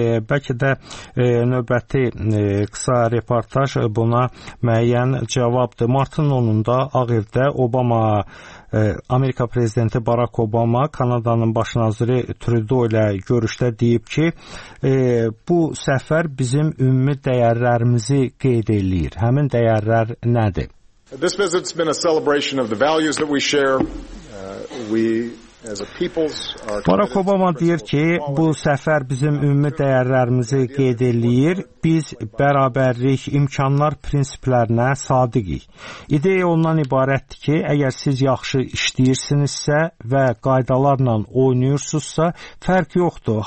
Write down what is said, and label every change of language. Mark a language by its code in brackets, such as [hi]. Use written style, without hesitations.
[az] Bəlkə də növbəti qısa reportaj buna müəyyən cavabdır. Martın 10-da Ağ Evdə Obama, Amerika Prezidenti Barack Obama Kanadanın baş naziri Trudeau ilə görüşdə deyib ki, bu səfər bizim ümumi dəyərlərimizi qeyd eləyir. Həmin dəyərlər nədir? [en] This visit's been a celebration of the values that we share. We as a peoples are [az] Barack Obama deyir ki, bu səfər bizim ümumi dəyərlərimizi qeyd eləyir. Biz bərabərlik, imkanlar prinsiplərinə sadiqik. İdeya ondan ibarətdir ki, əgər siz yaxşı işləyirsinizsə və qaydalarla oynayırsınızsa, fərq yoxdur.